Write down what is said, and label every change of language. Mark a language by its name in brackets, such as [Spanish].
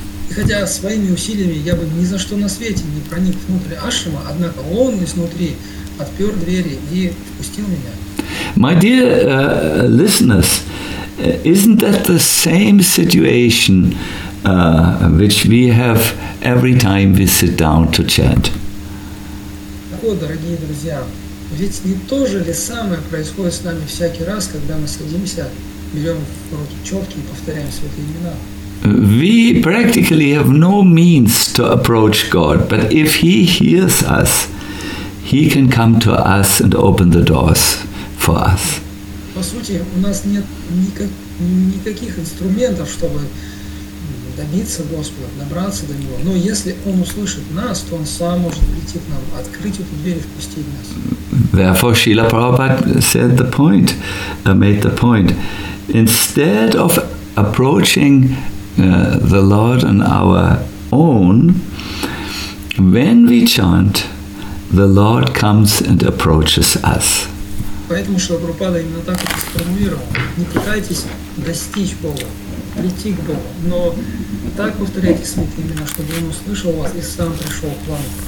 [Russian] И хотя своими усилиями я бы ни за что на свете не проник внутрь ашрама, однако он изнутри отпер двери и впустил меня. [English] My dear listeners, isn't that the same situation which we have every time we sit down to chant? [Russian] О, дорогие друзья, ведь не то же ли самое происходит с нами всякий раз, когда мы садимся, берем в руки четки и повторяем святые имена? [English] We practically have no means to approach God, but if He hears us, He can come to us and open the doors for us. [Russian] По сути, у нас нет никаких инструментов, чтобы добиться Господа, добраться до Него. Но если Он услышит нас, то Он сам может прийти к нам, открыть эту дверь и впустить нас. [English] Therefore, Srila Prabhupada said the point, made the point. Instead of approaching the Lord on our own, when we chant, the Lord comes and approaches us. [Russian] Поэтому Шрила Прабхупада именно так это сформулировал. Не пытайтесь достичь Бога, прийти к Богу, но так повторяйте святые имена, чтобы Он услышал вас и сам пришел к вам.